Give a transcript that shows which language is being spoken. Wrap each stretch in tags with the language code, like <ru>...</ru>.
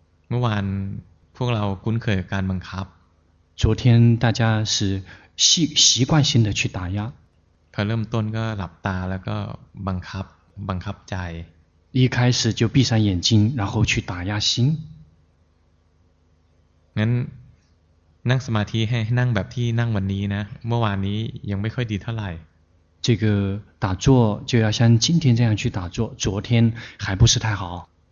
<th>เมื่อวานพวกเราคุ้นเคยการบังคับ</th> <zh>昨天大家是习惯性的去打压</zh> <th>พอเริ่มต้นก็หลับตาแล้วก็บังคับใจ</th> <zh>一开始就闭上眼睛然后去打压心</zh> <th>งั้นนั่งสมาธิให้นั่งแบบที่นั่งวันนี้นะเมื่อวานนี้ยังไม่ค่อยดีเท่าไหร่</th> <zh>这个打坐就要像今天这样去打坐昨天还不是太好</zh>